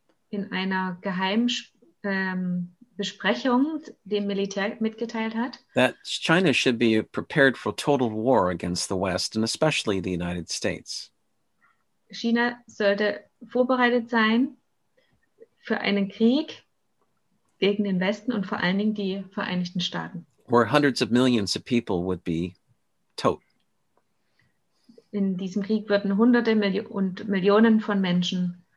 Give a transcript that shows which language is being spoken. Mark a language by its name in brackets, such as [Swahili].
[German] in einer geheimen Besprechung dem Militär mitgeteilt hat, [English] that China should be prepared for total war against the West and especially the United States. [German] China sollte vorbereitet sein für einen Krieg gegen den Westen und vor allen Dingen die Vereinigten Staaten. [English] Where hundreds of millions of people would be [German] tot. In diesem Krieg würden Hunderte und Millionen von Menschen